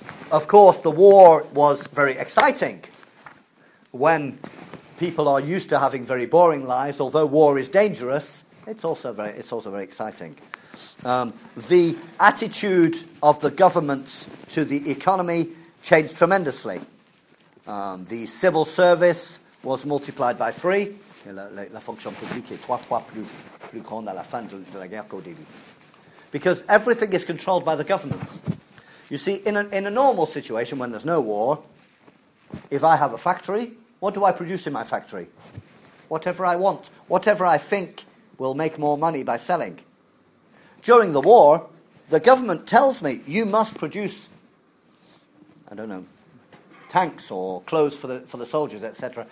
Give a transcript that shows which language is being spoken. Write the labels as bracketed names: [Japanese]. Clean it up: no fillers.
[English] Of course, the war was very exciting when people are used to having very boring lives. Although war is dangerous, it's also very exciting. The attitude of the governments to the economy changed tremendously. The civil service was multiplied by 3. [French] La fonction publique est trois fois plus grande à la fin de la guerre qu'au début. [English] Because everything is controlled by the government. You see, in a normal situation when there's no war, if I have a factory, what do I produce in my factory? Whatever I want. Whatever I think will make more money by selling. During the war, the government tells me, you must produce, I don't know, tanks or clothes for the soldiers, etc.